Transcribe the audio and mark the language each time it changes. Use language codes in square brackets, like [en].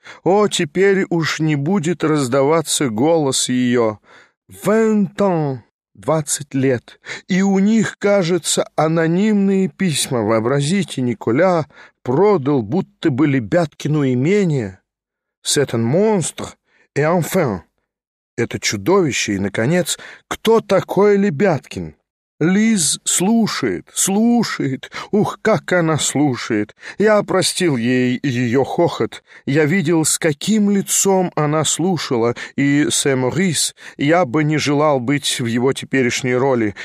[ru] О, теперь уж не будет раздаваться голос ее. Вентон, 20 лет, и у них, кажется, анонимные письма, вообразите, Николя продал, будто бы Лебяткину имение. [fr] C'est un monstre, et enfin». [ru] Это чудовище, и, наконец, кто такой Лебяткин? Лиз слушает, слушает. Ух, как она слушает. Я простил ей ее хохот. Я видел, с каким лицом она слушала. И Сэм-Рис, я бы не желал быть в его теперешней роли.